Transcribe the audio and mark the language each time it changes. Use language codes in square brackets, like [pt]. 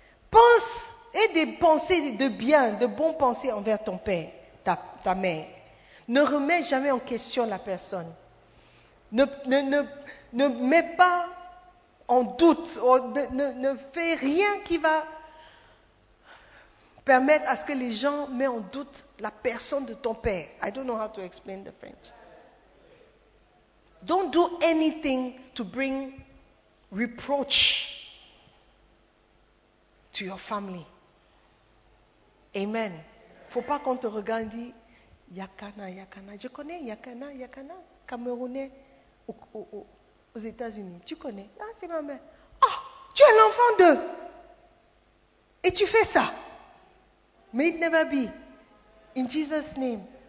[fr] Pense et des pensées de bien, de bonnes pensées envers ton père, ta mère. Ne remets jamais en question la personne. Ne mets pas on doute, on ne fait rien qui va permettre à ce que les gens mettent en doute la personne de ton père. [en] I don't know how to explain the French. Don't do anything to bring reproach to your family. Amen. [fr] Faut pas qu'on te regarde et dit Yakana, Yakana. Je connais Yakana, Yakana, Camerounais aux États-Unis. Tu connais? Ah, c'est ma mère. Ah, tu es l'enfant d'eux. Et tu fais ça. [en] May it never be. In Jesus' name.